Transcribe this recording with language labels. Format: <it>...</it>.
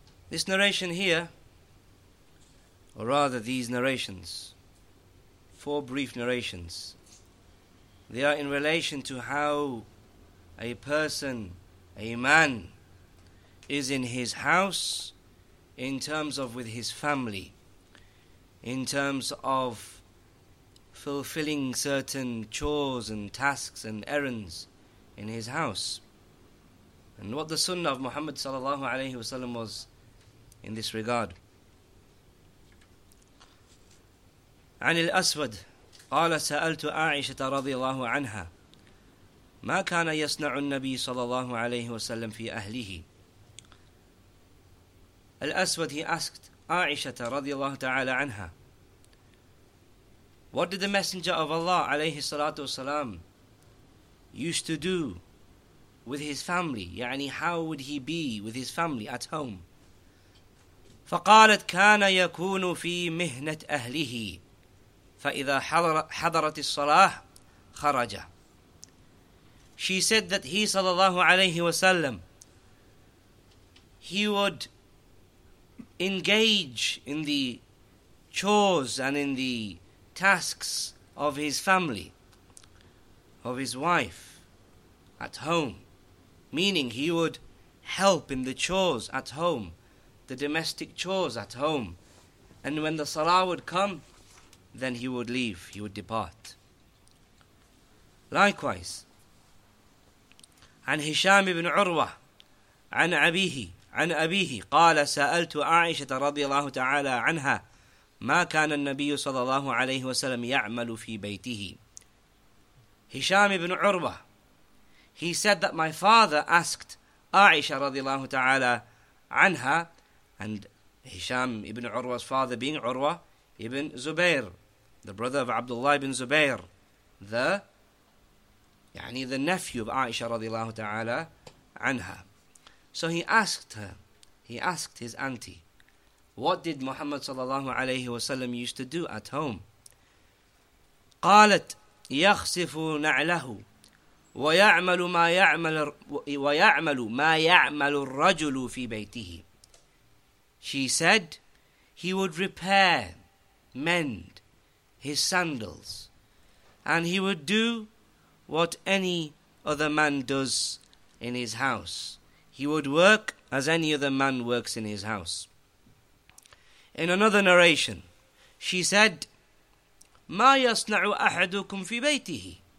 <en>This narration here, or rather these narrations, four brief narrations, they are in relation to how a person, a man, is in his house in terms of with his family, in terms of fulfilling certain chores and tasks and errands in his house. And what the sunnah of Muhammad sallallahu alayhi wasallam was in this regard.</en> <ar>عن الأسود قال سألت عائشة رضي الله عنها ما كان يصنع النبي صلى الله عليه وسلم في أهله.</ar> <en>الأسود, he asked عائشة رضي الله تعالى عنها, what did the Messenger of Allah عليه الصلاة والسلام used to do with his family, يعني how would he be with his family at home.</en> <ar>فقالت كان يكون في مهنة أهله فإذا حضرت الصلاة خرج.</ar> <en>She said that he صلى الله عليه وسلم, he would engage in the chores and in the tasks of his family, of his wife at home, meaning he would help in the chores at home, the domestic chores at home, and when the salah would come, then he would leave, he would depart.</en> <ar>Likewise, عن هشام بن عروة عن أبيه عن أبيه قال سألت عائشة رضي الله تعالى عنها ما كان النبي صلى الله عليه وسلم يعمل في بيته.</ar> <en>هشام بن عروة, he said that my father asked عائشة رضي الله تعالى عنها, and هشام بن عروة's father being عروة ابن زبير, the brother of Abdullah ibn Zubair, the nephew of Aisha radiallahu ta'ala anha. So he asked his auntie, what did Muhammad sallallahu alayhi wa sallam used to do at home?</en> <ar>قالت يخسف نعله ويعمل ما يعمل الرجل في بيته.</ar> <en>She said he would repair, mend his sandals, and he would do what any other man does in his house. He would work as any other man works in his house. In another narration, she said, مَا يَصْنَعُ أَحَدُكُمْ فِي بَيْتِهِ.</en>